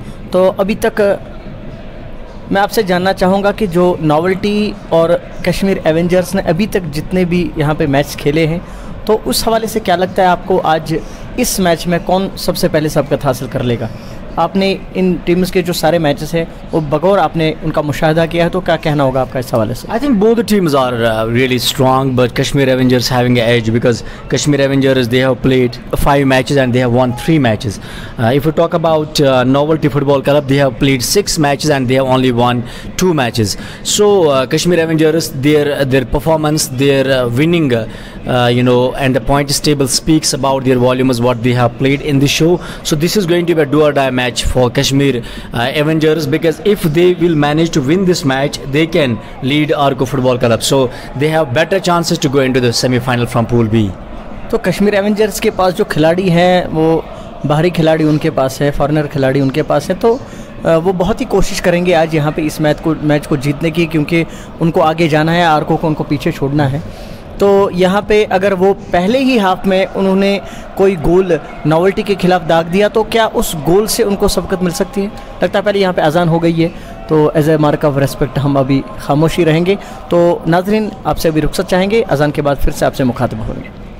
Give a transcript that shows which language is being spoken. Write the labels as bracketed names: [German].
[Urdu] تو ابھی تک میں آپ سے جاننا چاہوں گا کہ جو نوولٹی اور کشمیر ایونجرز نے ابھی تک جتنے بھی یہاں پہ میچ کھیلے ہیں, تو اس حوالے سے کیا لگتا ہے آپ کو, آج اس میچ میں کون سب سے پہلے سبقت حاصل کر لے گا؟ آپ نے ان ٹیمز کے جو سارے میچز ہیں وہ بغور آپ نے ان کا مشاہدہ کیا ہے تو کیا کہنا ہوگا آپ کا اس حوالے سے؟ [English] I think both teams are really strong but Kashmir avengers having a edge because Kashmir avengers they have played five matches and they have won three matches if you talk about novelty football club they have played six matches and they have only won two matches so Kashmir avengers their performance their winning you know and the point table speaks about their volumes what they have played in the show so this is going to be a do or die match for Kashmir avengers because if they will manage to win this match they can lead Arco football club so they have better chances to go into the semi final from pool B [Urdu] تو Kashmir Avengers کے پاس جو کھلاڑی ہیں وہ باہری کھلاڑی ان کے پاس ہے فارنر کھلاڑی ان کے پاس ہیں تو وہ بہت ہی کوشش کریں گے آج یہاں پہ اس میچ کو جیتنے کی کیونکہ ان کو آگے جانا ہے آرکو کو ان کو پیچھے چھوڑنا ہے تو یہاں پہ اگر وہ پہلے ہی ہاف میں انہوں نے کوئی گول نوولٹی کے خلاف داغ دیا تو کیا اس گول سے ان کو سبقت مل سکتی ہے؟ لگتا ہے پہلے یہاں پہ اذان ہو گئی ہے تو [English] as a mark of respect [Urdu] ہم ابھی خاموشی رہیں گے تو ناظرین آپ سے ابھی رخصت چاہیں گے اذان کے بعد پھر سے آپ سے مخاطب ہوں گے